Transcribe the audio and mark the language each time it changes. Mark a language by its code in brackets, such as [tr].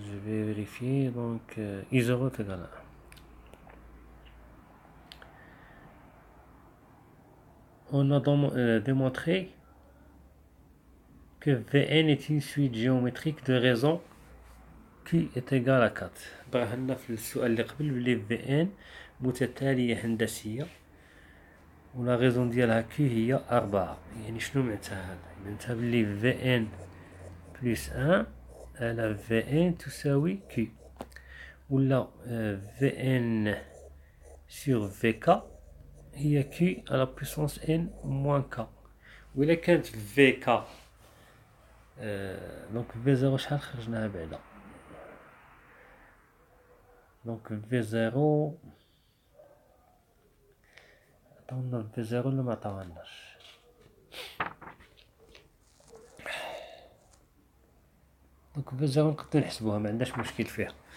[fr] Je vais vérifier. Donc, I0 est égal à 1. On a démontré que Vn est une suite géométrique de raison Q est égal à 4. [ar] Bah, في السؤال اللي قبل بلي Vn متتالية هندسية و la raison ديالها Q هي 4. يعني شنو معناتها هذا؟ معناتها بلي Vn plus 1 على Vn تساوي Q و لا Vn sur Vk هي Q [fr] à la puissance n moins k. [ar] و إلا كانت Vk donc V0 شحال خرجناها بعدا؟ دونك V0 عطاونا V0 ولا ما عطاوناش؟ دونك V0 نقدر نحسبوها، ما عندناش مشكل فيها.